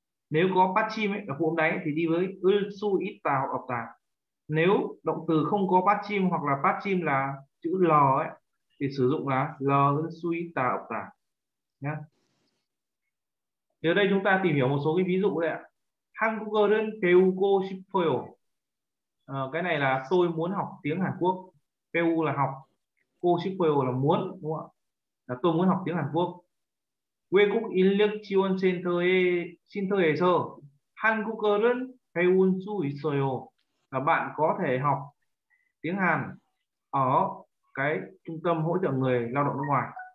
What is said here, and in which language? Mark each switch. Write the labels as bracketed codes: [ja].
[vi] Nếu có bát chim ấy, ở phụ âm đấy thì đi với ưu su ít tà hoặc ọc tà. Nếu động từ không có bát chim hoặc là bát chim là chữ l ấy, thì sử dụng là l ưu su ít tà ọc tà. Nhá. Thì ở đây chúng ta tìm hiểu một số cái ví dụ đây ạ. [ko] 한국어를 배우고 싶어요. [vi] Cái này là tôi muốn học tiếng Hàn Quốc. 배우 là học. [ko] 고 싶어요 [vi] là muốn, đúng không ạ? Là tôi muốn học tiếng Hàn Quốc. 외국 인력 지원 센터에서 한국어를 배울 수 있어요. Là bạn có thể học tiếng Hàn ở cái trung tâm hỗ trợ người lao động nước ngoài.